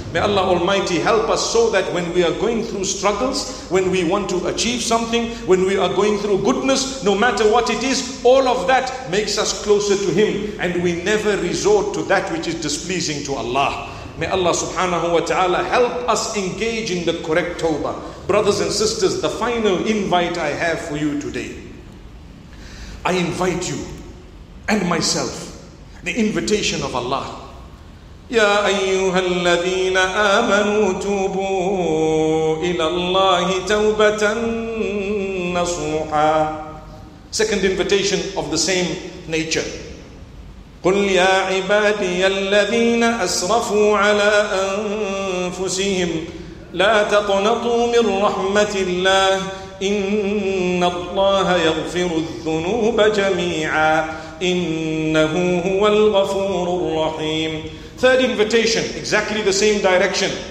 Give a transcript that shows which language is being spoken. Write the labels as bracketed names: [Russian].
[English] May Allah Almighty help us so that when we are going through struggles, when we want to achieve something, when we are going through goodness, no matter what it is, all of that makes us closer to Him and we never resort to that which is displeasing to Allah. May Allah subhanahu wa ta'ala help us engage in the correct tawbah. Brothers and sisters, the final invite I have for you today. I invite you and myself, the invitation of Allah. [Arabic] يا أيها الذين آمنوا توبوا إلى الله توبة نصوحا. [English] Second invitation of the same nature. [Arabic] قل يا عبادي الذين أسرفوا على أنفسهم لا تقنطوا من رحمة الله إن الله يغفر الذنوب جميعا إنه هو الغفور الرحيم. [English] Third invitation, exactly the same direction.